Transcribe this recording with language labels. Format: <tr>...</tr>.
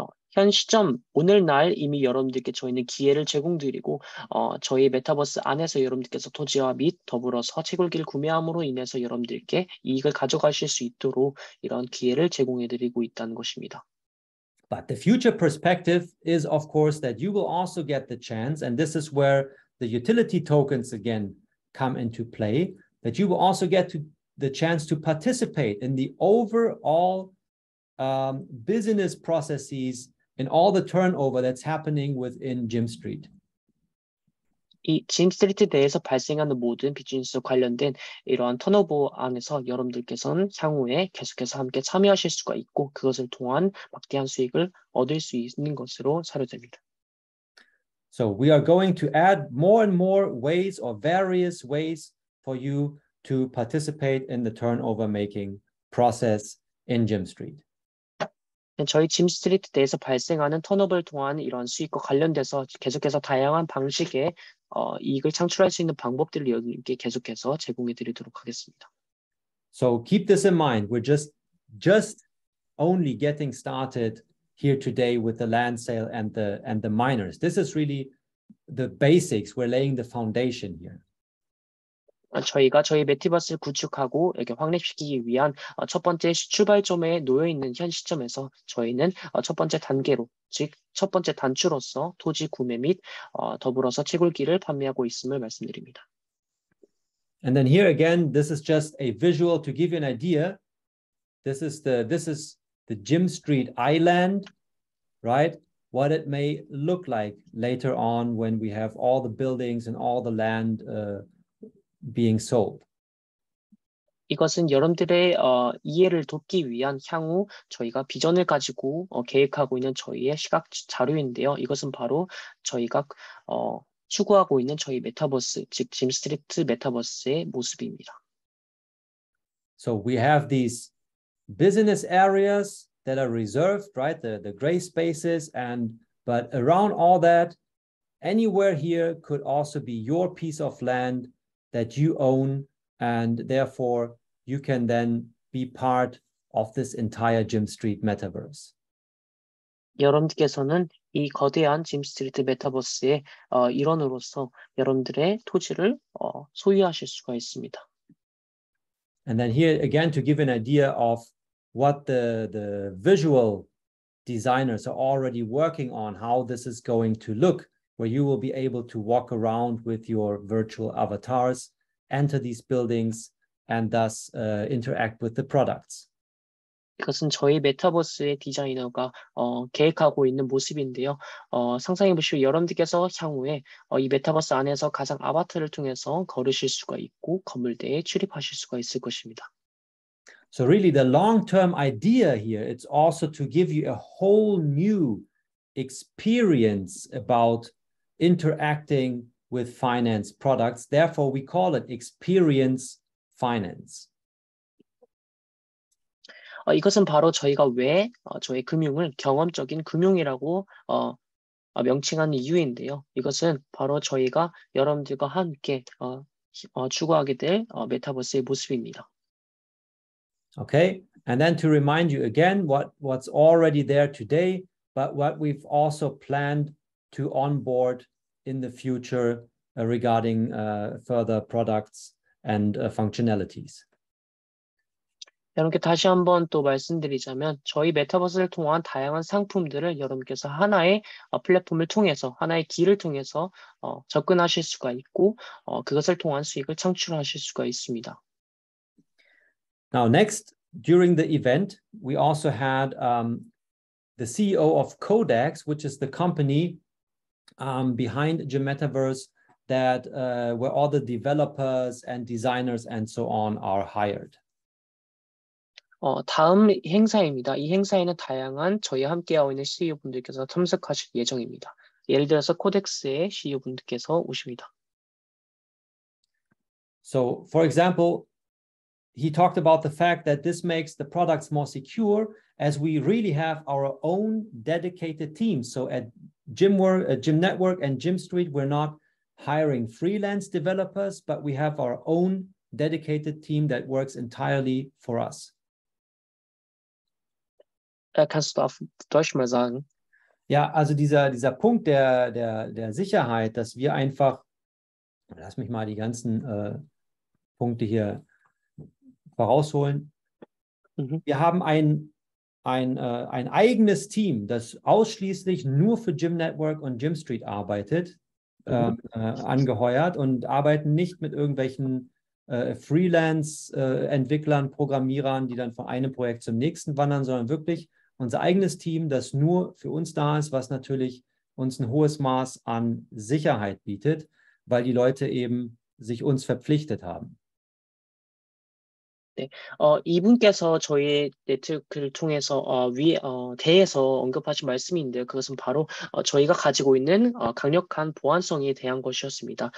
<ko>현 시점 오늘 날 이미 여러분들께 저희는 기회를 제공드리고 저희 메타버스 안에서 여러분들께서 토지와 및 더불어서 채굴기를 구매함으로 인해서 여러분들께 이익을 가져가실 수 있도록 이런 기회를 제공해드리고 있다는 것입니다.</ko> <en>But the future perspective is of course that you will also get the chance, and this is where the utility tokens again come into play, that you will also get the chance to participate in the overall business processes and all the turnover that's happening within Jim Street.</en> <ko>이 Jim Street 내에서 발생하는 모든 비즈니스 관련된 이러한 턴오버 안에서 여러분들께서는 향후에 계속해서 함께 참여하실 수가 있고 그것을 통한 막대한 수익을 얻을 수 있는 것으로 사료됩니다.</ko> <en>So we are going to add more and more ways or various ways for you to participate in the turnover making process in Jim Street.</en> <ko>저희 짐 스트리트 내에서 발생하는 턴오버를 통한 이런 수익과 관련돼서 계속해서 다양한 방식의 이익을 창출할 수 있는 방법들을 여러분께 계속해서 제공해 드리도록 하겠습니다.</ko> <en>So keep this in mind. We're just only getting started here today with the land sale and the miners. This is really the basics. We're laying the foundation here.</en> <ko>저희가 저희 메타버스를 구축하고 이렇게 확립시키기 위한 첫 번째 출발점에 놓여 있는 현 시점에서 저희는 첫 번째 단계로 즉 첫 번째 단추로서 토지 구매 및 더불어서 채굴기를 판매하고 있음을 말씀드립니다.</ko> <en>And then here again, this is just a visual to give you an idea. This is the Jim Street Island, right? What it may look like later on when we have all the buildings and all the land being sold.</en> <ko>이것은 여러분들의 이해를 돕기 위한 향후 저희가 비전을 가지고 계획하고 있는 저희의 시각 자료인데요. 이것은 바로 저희가 추구하고 있는 저희 메타버스, 즉 짐 스트리트 메타버스의 모습입니다.</ko> <en>So we have these business areas that are reserved, right? The gray spaces, and but around all that, anywhere here could also be your piece of land that you own, and therefore you can then be part of this entire Gym Street Metaverse.</en> <ko>여러분께서는 이 거대한 Gym Street Metaverse의 일원으로서 여러분들의 토지를 소유하실 수가 있습니다.</ko> <en>And then here again to give an idea of what the visual designers are already working on, how this is going to look, where you will be able to walk around with your virtual avatars, enter these buildings, and thus interact with the products.</en> <ko>이것은 저희 메타버스의 디자이너가 계획하고 있는 모습인데요. 상상해 보시고 여러분들께서 향후에 이 메타버스 안에서 가장 아바타를 통해서 걸으실 수가 있고 건물대에 출입하실 수가 있을 것입니다.</ko> <en>So really the long-term idea here, it's also to give you a whole new experience about interacting with finance products. Therefore, we call it experience finance.</en> <ko>이것은 바로 저희가 왜 저희 금융을 경험적인 금융이라고 명칭한 이유인데요. 이것은 바로 저희가 여러분들과 함께 추구하게 될 메타버스의 모습입니다.</ko> <en>Okay, and then to remind you again what's already there today, but what we've also planned to onboard in the future regarding further products and functionalities.</en> <ko>여러분께 다시 한번 또 말씀드리자면 저희 메타버스를 통한 다양한 상품들을 여러분께서 하나의 플랫폼을 통해서 하나의 길을 통해서 접근하실 수가 있고 그것을 통한 수익을 창출하실 수가 있습니다.</ko> <en>Now next, during the event, we also had the CEO of Codex, which is the company behind the Metaverse that where all the developers and designers and so on are hired.</en> <ko>다음 행사입니다. 이 행사에는 다양한 저희와 함께하고 있는 CEO분들께서 참석하실 예정입니다. 예를 들어서 코덱스의 CEO분들께서 오십니다.</ko> <en>So, for example, he talked about the fact that this makes the products more secure as we really have our own dedicated team. So at Gym Network and Gym Street, we're not hiring freelance developers, but we have our own dedicated team that works entirely for us.</en> <de>Kannst du auf Deutsch mal sagen? Ja, also dieser Punkt der Sicherheit, dass wir einfach, lass mich mal die ganzen Punkte hier vorausholen. Mhm. Wir haben ein eigenes Team, das ausschließlich nur für Gym Network und Gym Street arbeitet, angeheuert und arbeiten nicht mit irgendwelchen Freelance-Entwicklern, Programmierern, die dann von einem Projekt zum nächsten wandern, sondern wirklich unser eigenes Team, das nur für uns da ist, was natürlich uns ein hohes Maß an Sicherheit bietet, weil die Leute eben sich uns verpflichtet haben.</de> <ko>네. 이분께서 저희 네트워크를 통해서 대해서 언급하신 말씀인데요. 그것은 바로 저희가 가지고 있는 강력한 보안성에 대한 것이었습니다.</ko>